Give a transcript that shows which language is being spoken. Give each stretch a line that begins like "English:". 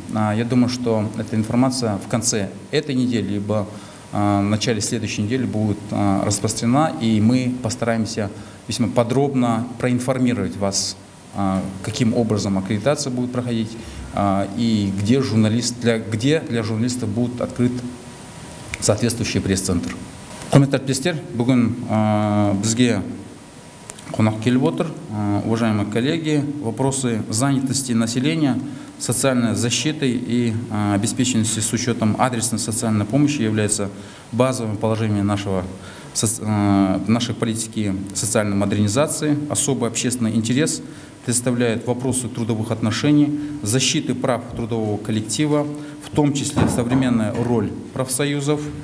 Russian: Я думаю, что эта информация в конце этой недели, либо в начале следующей недели будет распространена, и мы постараемся весьма подробно проинформировать вас, каким образом аккредитация будет проходить и где для журналистов будет открыт соответствующий пресс-центр.
Kazakh: Құрметті әріптестер, бүгін бізге қонақ келіп отыр.
Russian: Уважаемые коллеги, вопросы занятости населения, социальной защиты и обеспеченности с учетом адресной социальной помощи являются базовым положением нашей политики социальной модернизации. Особый общественный интерес представляют вопросы трудовых отношений, защиты прав трудового коллектива, в том числе современная роль профсоюзов.